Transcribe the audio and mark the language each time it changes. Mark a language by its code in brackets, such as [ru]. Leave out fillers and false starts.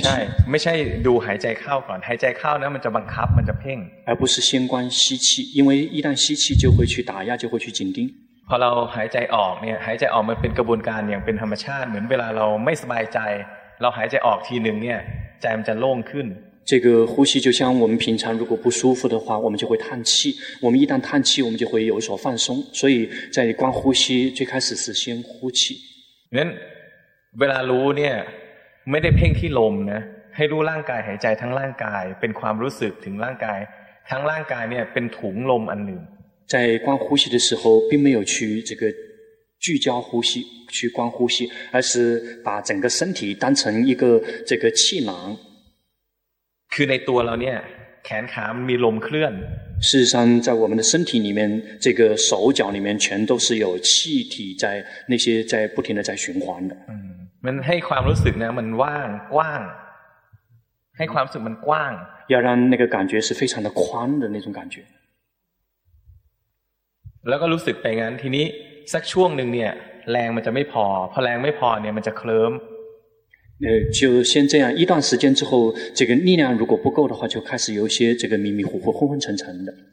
[th] ใช่ไม่ใช่ดูหายใจเข้าก่อนหายใจเข้านะมันจะบังคับมันจะเพ่ง [zh] 而不是先观吸气因为一旦吸气就会去打压就会去紧盯 [th] พอเราหายใจออกเนี่ยหายใจออกมันเป็นกระบวนการอย่างเป็นธรรมชาติเหมือนเวลาเราไม่สบายใจเราหายใจออกทีนึงเนี่ยใจมันจะโล่งขึ้น [zh] 这个呼吸就像我们平常如果不舒服的话我们就会叹气我们一旦叹气我们就会有所放松所以在观呼吸最开始是先呼气 [th] เวลารู้เนี่ยไม่ได้เพ่งที่ลมนะให้รู้ร่างกายหายใจทั้งร่างกายเป็นความรู้สึกถึงร่างกายทั้งร่างกายเนี่ยเป็นถุงลมอันหนึ่ง [zh] 在观呼吸的时候并没有去这个聚焦呼吸去观呼吸而是把整个身体当成一个这个气囊 [th] คือในตัวเราเนี่ยแขนขามมีลมเคลื่อน [zh] 事实上在我们的身体里面这个手脚里面全都是有气体在那些在不停的在循环的 [th] มันให้ความรู้สึกนะมันว่างกว้างให้ความรู้สึกมันกว้าง [zh] 要让那个感觉是非常的宽的那种感觉 [th] แล้วก็รู้สึกไปงั้นทีนี้สักช่วงนึงเนี่ยแรงมันจะไม่พอแรงไม่พอเนี่ยมันจะเคลิ้ม [zh] 就先这样一段时间之后这个力量如果不够的话就开始有些这个迷迷糊糊昏昏沉沉的